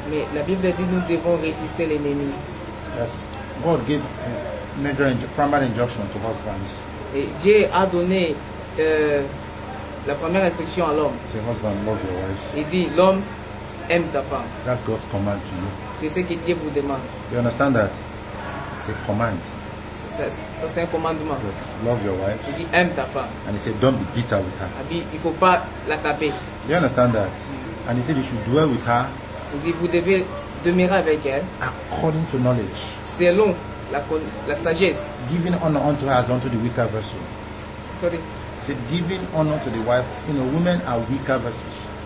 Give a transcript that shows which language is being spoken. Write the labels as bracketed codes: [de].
[fr] Mais la Bible dit nous devons résister l'ennemi. [en] Yes, God gave major primary injunction to husbands. [fr] Et Dieu a donné la première instruction à l'homme. [en] Say, husband, love your wife. [fr] Il dit l'homme aime ta femme. [en] That's God's command to you. [fr] C'est ce que Dieu vous demande. [en] You understand that? It's a command. [fr] ça c'est un commandement. [en] But love your wife. [fr] Il dit aime ta femme. [en] And he said don't be bitter with her. [fr] Il ne faut pas la taper. [en] You understand that? And he said you should dwell with her. [fr] Il dit vous devez demeurer avec elle. [en] According to knowledge. [fr] Selon la sagesse. [en] Giving honor unto her as unto the weaker vessel. Sorry. He said giving honor to the wife. You know women are weaker vessels.